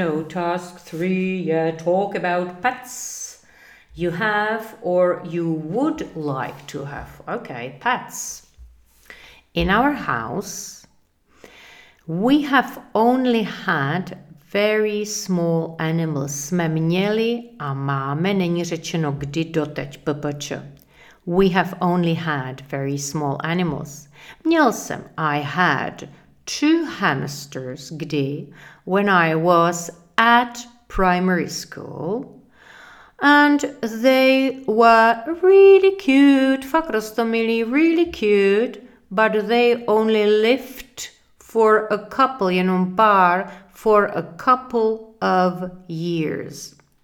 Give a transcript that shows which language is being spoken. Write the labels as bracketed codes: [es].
[en] Task 3 yeah, talk about pets you have or you would like to have. Okay, pets. In our house, we have only had very small animals. [cs] Jsme měli a máme, není řečeno kdy doteď, ppč. [en] We have only had very small animals. [cs] Měl jsem, [en] I had 2 hamsters, kdy, when I was at primary school, and they were really cute, [cs] fakt roztomilí, [en] really cute, but they only lived for a couple, [cs] jenom pár, [en] for a couple of years.